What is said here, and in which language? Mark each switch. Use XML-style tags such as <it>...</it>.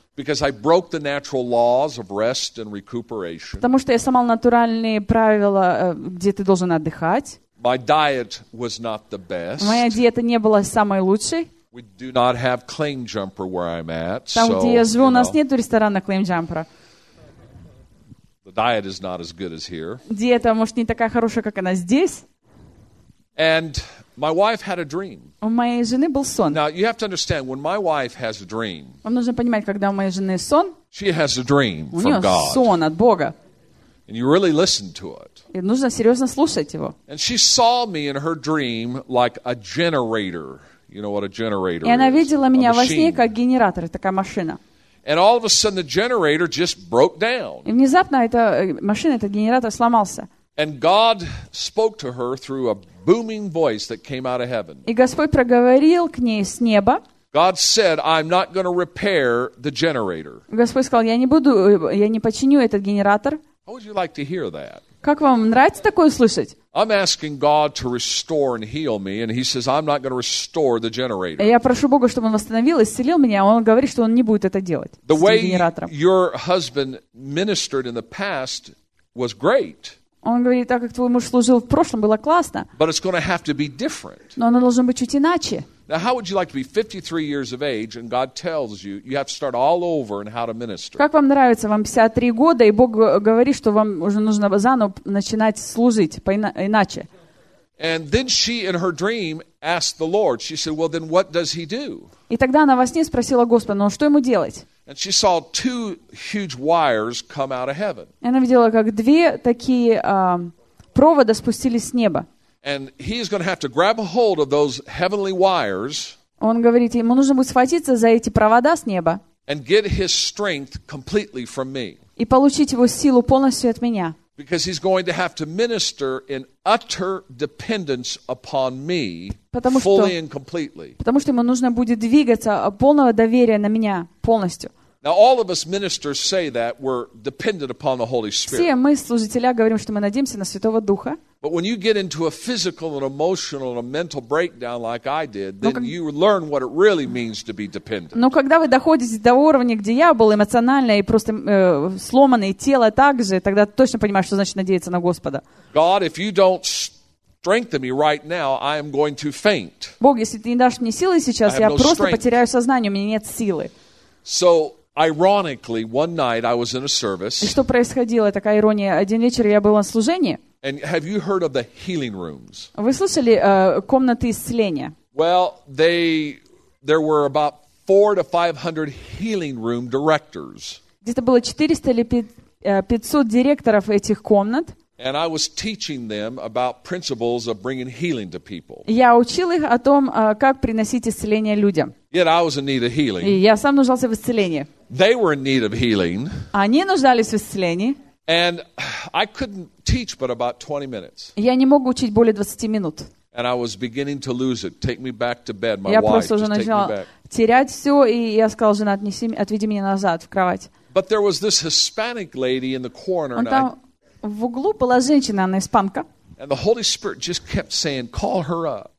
<en>Because I broke the natural laws of rest and recuperation.</en> <ru>Потому что я сломал натуральные правила, где ты должен отдыхать.</ru> <en>My diet was not the best.</en> <ru>Моя диета не была самой лучшей.</ru> <en>We do not have claim jumper where I'm at.</en> <ru>Там,</ru> <en>so,</en> <ru>где я живу,</ru> <en>you know.</en> <ru>У нас нет ресторана claim jumper.</ru> <en>The diet is not as good as here.</en> <ru>Диета может не такая хорошая, как она здесь.</ru> <en>And my wife had a dream.</en> <ru>У моей жены был сон.</ru> <en>Now you have to understand when my wife has a dream.</en> <ru>Вам нужно понимать, когда у моей жены сон.</ru> <en>She has a dream from God.</en> <ru>У неё сон от Бога.</ru> <en>And you really listen to it.</en> <ru>И нужно серьезно слушать его.</ru> <en>And she saw me in her dream like a generator. You know what a generator is?</en> <ru>И она видела меня во сне как генератор, такая машина.</ru> <en>And all of a sudden the generator just broke down.</en> <ru>И внезапно эта машина, этот генератор сломался.</ru> <en>And God spoke to her through a booming voice that came out of heaven.</en> <ru>И Господь проговорил к ней с неба.</ru> <en>God said, "I'm not going to repair the generator."</en> <ru>Господь сказал, я не починю этот генератор.</ru> <en>How would you like to hear that?</en> <ru>Как вам нравится такое услышать?</ru> <en>I'm asking God to restore and heal me, and He says, "I'm not going to restore the generator."</en> <ru>Я прошу Бога, чтобы Он восстановил и исцелил меня, а Он говорит, что Он не будет это делать с этим генератором.</ru> <en>The way your husband ministered in the past was great.</en> <ru>Он говорит, так как твой муж служил в прошлом, было классно.</ru> <en>But it's going to have to be different.</en> <ru>Но оно должно быть чуть иначе.</ru> <en>Now, how would you like to be 53 years of age, and God tells you you have to start all over in how to minister?</en> <ru>Как вам нравится, вам 53 года, и Бог говорит, что вам уже нужно заново начинать служить иначе?</ru> <en>And then she, in her dream, asked the Lord. She said, "Well, then, what does He do?"</en> <ru>И тогда она во сне спросила Господа, ну что ему делать?</ru> <en>And she saw two huge wires come out of heaven.</en> <ru>И она видела, как две такие провода спустились с неба.</ru> <en>And he is going to have to grab a hold of those heavenly wires.</en> <ru>Он говорит, ему нужно будет схватиться за эти провода с неба.</ru> <en>And get his strength completely from me.</en> <ru>И получить его силу полностью от меня.</ru> <en>Because he's going to have to minister in utter dependence upon me, fully and completely.</en> <ru>Потому что ему нужно будет двигаться полного доверия на меня полностью.</ru> <en>Now all of us ministers say that we're dependent upon the Holy Spirit.</en> <ru>Все мы служители говорим, что мы надеемся на Святого Духа.</ru> <en>But when you get into a physical and emotional and a mental breakdown like I did, then you learn what it really means to be dependent.</en> <ru>Но когда вы доходите до уровня, где я был эмоционально и просто сломанное тело также, тогда точно понимаешь, что значит надеяться на Господа.</ru> <en>God, if you don't strengthen me right now, I am going to faint.</en> <ru>Бог, если ты не дашь мне силы сейчас, я просто потеряю сознание, у меня нет силы.</ru> <en>So ironically, one night I was in a service.</en> <ru>И что происходило? Такая ирония. Один вечер я был на служении.</ru> <en>And have you heard of the healing rooms?</en> <ru>Вы слышали комнаты исцеления?</ru> <en>Well, there were about 400 to 500 healing room directors.</en> <ru>Где-то было 400 или 500 директоров этих комнат.</ru> <en>And I was teaching them about principles of bringing healing to people.</en> <ru>Я учил их о том, как приносить исцеление людям.</ru> <en>Yet I was in need of healing.</en> <ru>И я сам нуждался в исцелении.</ru> <en>They were in need of healing.</en> <ru>Они нуждались в исцелении.</ru> <en>And I couldn't teach but about 20 minutes.</en> <ru>Я не мог учить более 20 минут.</ru> <en>And I was beginning to lose it. Take me back to bed, my</en> <ru>я</ru> <en>wife.</en> <ru>Я просто уже начал терять все, и я сказал жена, отведи меня назад в кровать.</ru> <en>But there was this Hispanic lady in the corner.</en> <ru>Он там в углу была женщина, она испанка.</ru> <en>And the Holy Spirit just kept saying, "Call her up."</en>